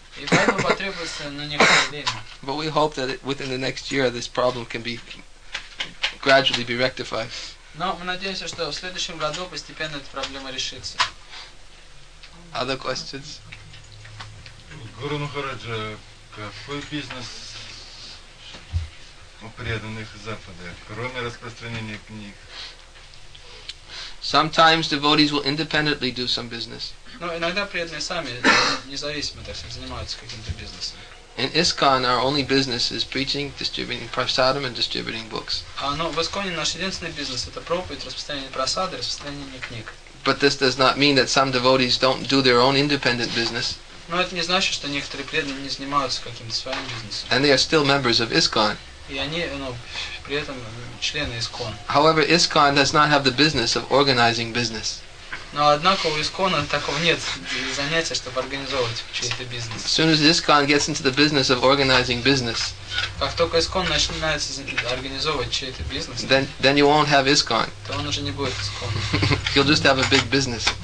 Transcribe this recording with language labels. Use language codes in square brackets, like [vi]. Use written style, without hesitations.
[en] But we hope that within the next year this problem can be gradually be rectified. [ru] Но мы надеемся, что в следующем году постепенно эта проблема решится. [en] Other questions? [ru] Гуру Махараджа, какой бизнес у преданных Запада, кроме распространения книг? [en] Sometimes devotees will independently do some business. [ru] Но иногда преданные сами независимо, так сказать, занимаются каким-то бизнесом. [en] In ISKCON, our only business is preaching, distributing prasadam, and distributing books. [ru] Но в ISKCON наш единственный бизнес это проповедь, распространение прасады, распространение книг. [en] But this does not mean that some devotees don't do their own independent business. [ru] Но это не значит, что некоторые преданные не занимаются каким-то своим бизнесом. [en] And they are still members of ISKCON. [ru] И они, ну, при этом члены ISKCON. [en] However, ISKCON does not have the business of organizing business. [ru] Но однако у ИСКОНа такого нет занятия, чтобы организовывать чей-то бизнес. [en] As soon as ISKCON gets into the business of organizing business, [ru] как только ИСКОН начинает организовывать чей-то бизнес, [en] then you won't have ISKCON. [ru] То он уже не будет ИСКОН. [en] You'll just have a big business.